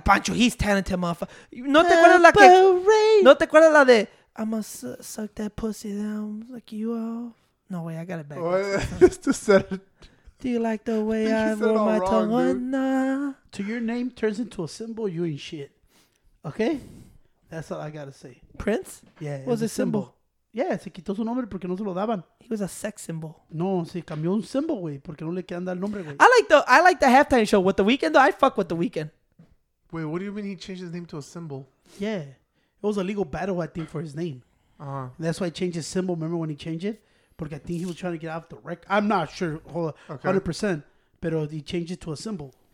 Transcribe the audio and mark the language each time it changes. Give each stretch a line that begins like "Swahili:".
Spanish: Pancho,
English: he's talented, motherfucker.
Spanish: No te acuerdas la que... No te acuerdas la de...
English: I'm gonna suck that pussy down like you off. No way, I got it back. Just to set it. Do you like the way I roll my tongue? To your name turns into a symbol, you ain't shit. Okay? That's all I gotta say. Prince? Yeah. What was a symbol?
Spanish: Yeah, se quitó su nombre porque no se lo daban.
English: He was a sex symbol.
Spanish: No, se cambió un symbol, güey, porque no le quedan dar el nombre, güey.
English: I like the halftime show. With The Weeknd, though, I fuck with The Weeknd. Wait, what do you mean he changed his name to a symbol? Yeah. It was a legal battle, I think, for his name. Uh-huh. That's why he changed his symbol. Remember when he changed it?
Spanish: Porque
English: I think he was trying to get off the record. I'm not sure, 100%. But he changed it to a symbol.